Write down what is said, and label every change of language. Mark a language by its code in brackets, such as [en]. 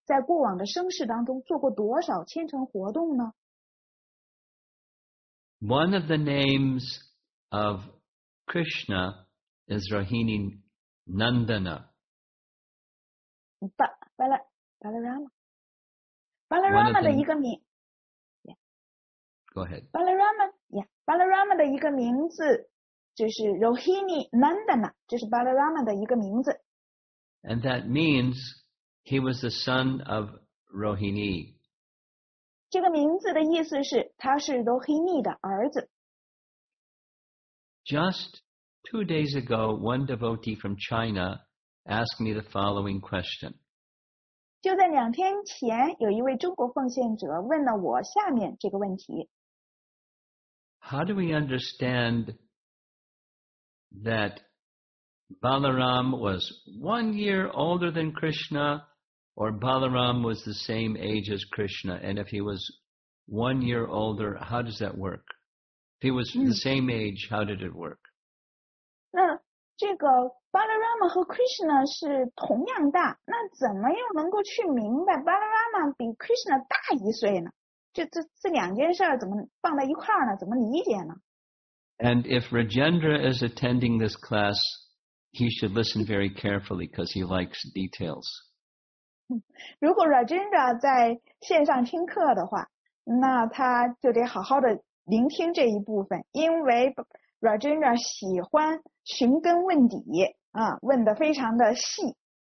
[zh] 在过往的生世当中做过多少虔诚活动呢？ [en] One of the names of Krishna is Rohini Nandana. [zh] Balarama. Balarama 的一个名。 [en] Go ahead. [zh] Balarama, Balarama 的一个名字就是 Rohini Nandana, 就是 Balarama 的一个名字。 [en] And that means he was the son of Rohini. [zh] 这个名字的意思是他是 Rohini 的儿子。 [en] Two days ago, one devotee from China asked me the following question. [zh] 就在两天前，有一位中国奉献者问了我下面这个问题。 [en] How do we understand that Balaram was 1 year older than Krishna, or Balaram was the same age as Krishna? And if he was 1 year older, how does that work? If he was the same age, how did it work? [zh] 那这个 Balarama 和 Krishna 是同样大，那怎么又能够去明白 Balarama 比 Krishna 大一岁呢？这两件事怎么放在一块呢？怎么理解呢？ [en] And if Rajendra is attending this class, he should listen very carefully because he likes details. [zh] 如果 Rajendra 在线上听课的话，那他就得好好的聆听这一部分，因为 Rajendra 喜欢寻根问底，问得非常的细。